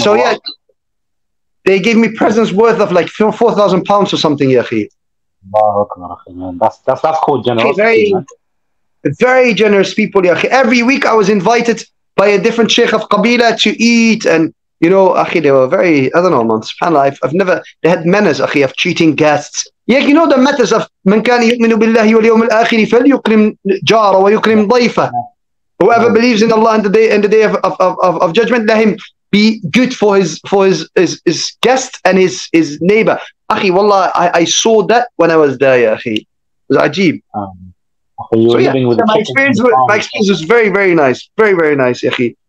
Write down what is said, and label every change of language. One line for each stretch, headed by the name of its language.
English: So, yeah. They gave me presents worth of like 4,000 pounds or something, Yahi. Allahu Akbar, man. That's called generosity. Very, very generous people, Yahi. Every week I was invited by a different sheikh of Qabila to eat. And, you know, Yahi, they were very, I don't know, man, subhanAllah. They had manners, Yahi, of treating guests. Yeah, you know the matters of
Arabic: من كان يؤمن بالله واليوم الآخر فليكرم جاره ويكرم ضيفه.
English: Whoever believes in Allah and the day of judgment, let him be good for his guest and his neighbor. Akhi, wallah, I saw that when I was there, Akhi. It was ajeeb. My experience was very, very nice. Very, very nice, Akhi.